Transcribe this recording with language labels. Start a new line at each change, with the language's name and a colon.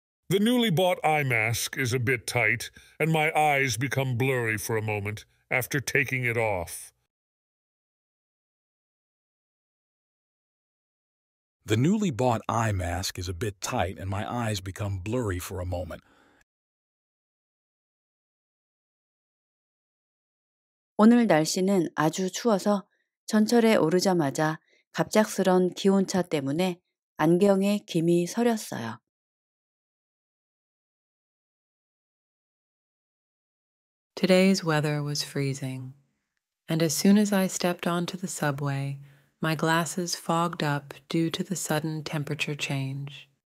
English: The newly bought eye mask is a bit tight, and my eyes become blurry for a moment after taking it off. The newly bought eye mask is a bit tight, and my eyes become blurry for a moment.
Korean: 오늘 날씨는 아주 추워서 전철에 오르자마자 갑작스런 기온차 때문에 안경에 김이 서렸어요.
English: Today's weather was freezing, and as soon as I stepped onto the subway, my glasses fogged up due to the sudden temperature change.